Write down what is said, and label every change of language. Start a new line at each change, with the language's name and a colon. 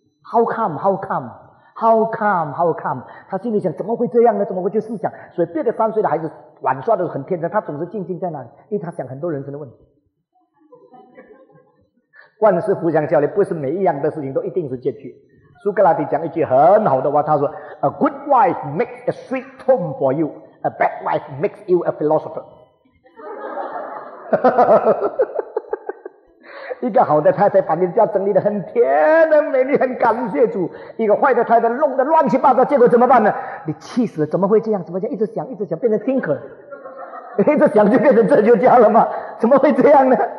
English: How come? How come? How come? How come?
Chinese: 他心里想，怎么会这样呢？怎么会去思想？所以别的3岁的孩子玩耍的很天真，他总是静静在那里，因为他想很多人生的问题。万事互相效力，不是每一样的事情都一定是解决。苏格拉底讲一句很好的话，他说
English: A good wife makes a sweet home for you, A bad wife makes you a philosopher.
Chinese: 一个好的太太把你家整理得很甜很美丽，很感谢主。一个坏的太太弄得乱七八糟，结果怎么办呢？你气死了，怎么会这样？怎么这样？一直想一直想，变成thinker，一直想就变成哲学家了吗？怎么会这样呢？